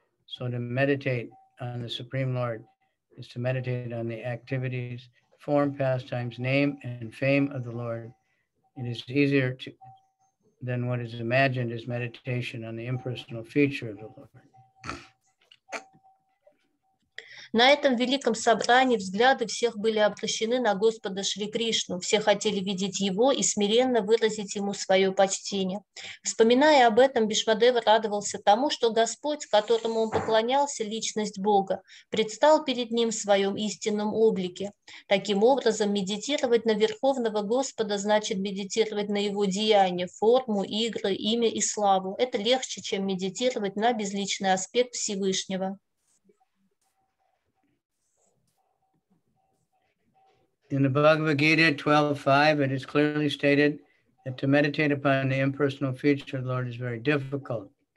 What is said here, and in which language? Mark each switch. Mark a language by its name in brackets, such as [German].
[English] So to meditate on the Supreme Lord is to meditate on the activities, form, pastimes, name, and fame of the Lord. It is easier to, than what is imagined as meditation on the impersonal feature of the Lord. [Russian] На этом великом собрании взгляды всех были обращены на Господа Шри Кришну. Все хотели видеть Его и смиренно выразить Ему свое почтение. Вспоминая об этом, Бишмадева радовался тому, что Господь, которому он поклонялся, личность Бога, предстал перед Ним в своем истинном облике. Таким образом, медитировать на Верховного Господа значит медитировать на Его деяния, форму, игры, имя и славу. Это легче, чем медитировать на безличный аспект Всевышнего. [English] In the Bhagavad Gita 12.5, it is clearly stated that to meditate upon the impersonal feature of the Lord is very difficult.